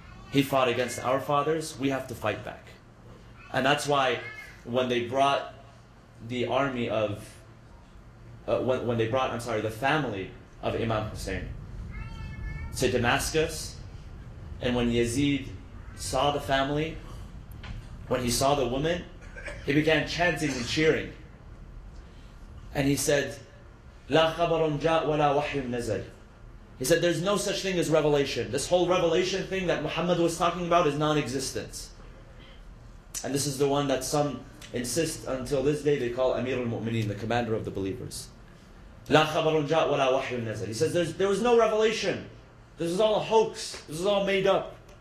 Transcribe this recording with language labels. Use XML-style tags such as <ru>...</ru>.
<en>He fought against our fathers, we have to fight back. And that's why when they brought the army of, the family of Imam Hussein to Damascus, and when Yazid saw the family, when he saw the woman, he began chanting and cheering. And he said,</en> <ar>لَا خَبَرٌ جَاءْ وَلَا وَحْيٌ نَزَلْ.</ar> <en>He said, there's no such thing as revelation. This whole revelation thing that Muhammad was talking about is non-existent. And this is the one that some insist until this day they call Amir al-Mu'mineen, the commander of the believers.</en> <ar>لَا خَبَرٌ جَاءْ وَلَا وَحْيٌ نَزَلْ.</ar> <en>He says, there was no revelation. This is all a hoax. This is all made up.</en>